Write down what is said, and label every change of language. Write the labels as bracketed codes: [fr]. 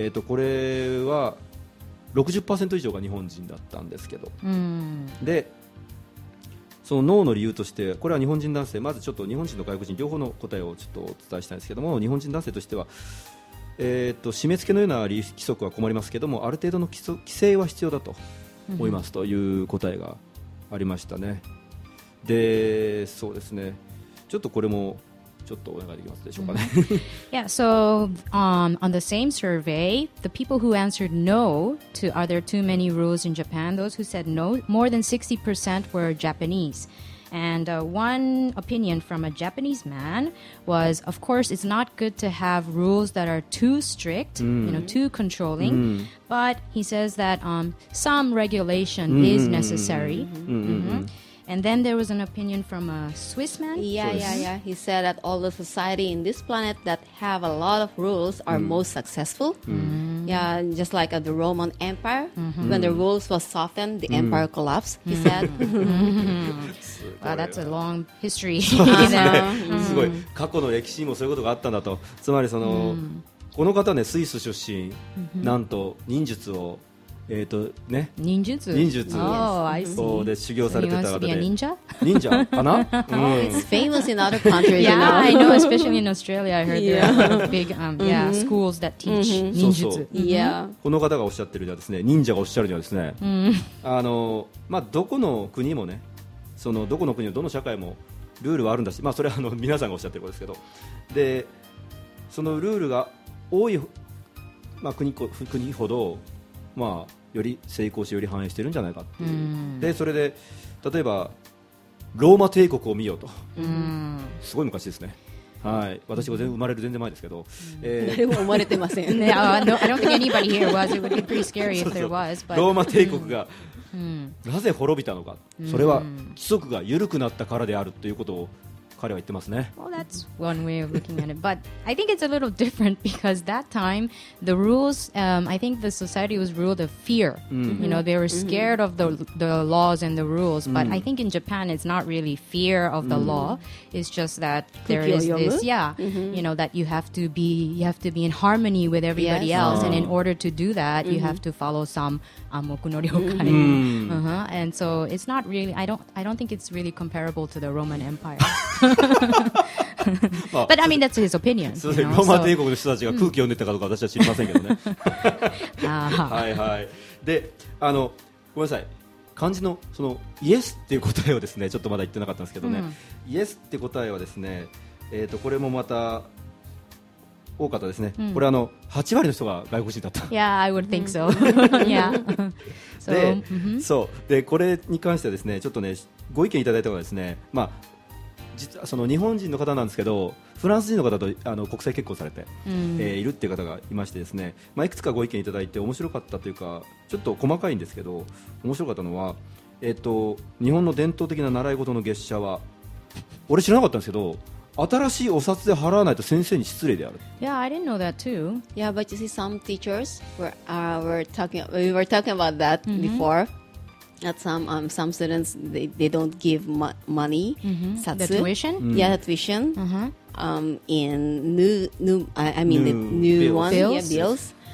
[ja] これは 60% 以上が日本人だったんですけど、でそのノーの理由として、これは日本人男性、まずちょっと日本人と外国人両方の答えをちょっとお伝えしたいんですけども、日本人男性としては、締め付けのような規則は困りますけども、ある程度の規制は必要だと思いますという答えがありましたね。で、そうですね。ちょっとこれもちょっとお願いできますでしょうかね。 [en] Yeah, so on the same survey, the people who answered no to are there too many rules in Japan, those who said no, more than 60% were Japanese. And one opinion from a Japanese man was, of course, it's not good to have rules that are too strict, you know, too controlling. But he says that some regulation is necessary. And then there was an opinion from a Swiss man. Yeah. He said that all the society in this planet that have a lot of rules are most successful. Yeah, just like the Roman Empire, mm-hmm. when the rules were softened, the empire collapsed, he said. Wow, that's a long history. [ja] すごい。過去の歴史にもそういうことがあったんだと。つまりその、この方ね、スイス出身、なんと忍術を、ね、 [en] 忍術、oh, I see. [ja] で修行されてた方で、忍者忍者かな、 [en] It's famous in other countries. Yeah, you know? I know, especially in Australia. I heard there are big schools that teach 忍術。 [ja] この方がおっしゃってるにはですね、忍者がおっしゃるにはですね、どこの国もね、そのどこの国もどの社会もルールはあるんだし、それは皆さんがおっしゃってることですけど、でそのルールが多い、国ほど、より成功してより繁栄してるんじゃないかっていう、でそれで例えばローマ帝国を見ようと、すごい昔ですね、はい、私も生まれる全然前ですけど、誰も生まれてません。 [en] 、ね、I don't think anybody here was. It would be pretty scary if there was. [ja] そうそう、ローマ帝国がなぜ滅びたのか、それは規則が緩くなったからであるということを彼は言ってますね。 [en] Well, that's one way of looking at it. But I think it's a little different because that time, the rules, I think the society was ruled of fear. You know, they were scared of the laws and the rules. But I think in Japan, it's not really fear of the law. It's just that there is this, you know, that you have to be in harmony with everybody else. And in order to do that, you have to follow some amoku no ryokai. And so it's not really, I don't think it's really comparable to the Roman Empire. But I mean, that's his opinion. [ja] そうですね。ローマ帝国の人たちが空気読んでたかどうか私は知りませんけどね。はいはい。で、ごめんなさい。漢字のそのイエスっていう答えをですね、ちょっとまだ言ってなかったんですけどね。イエスって答えはですね、これもまた多かったですね。これ8割の人が外国人だった。 [en] Yeah, I would think so. [ja] で、そう。で、これに関してはですね、ちょっとね、ご意見いただいたのはですね、実はその日本人の方なんですけど、フランス人の方と国際結婚されて、いるっていう方がいましてですね、いくつかご意見いただいて面白かったというか、ちょっと細かいんですけど面白かったのは、日本の伝統的な習い事の月謝は俺知らなかったんですけど、新しいお札で払わないと先生に失礼である。 [en] Yeah, I didn't know that too. Yeah, but you see some teachers were talking about that before. That some students they don't give money, satsu. The tuition, The tuition, in new bills. One, bills. Bills.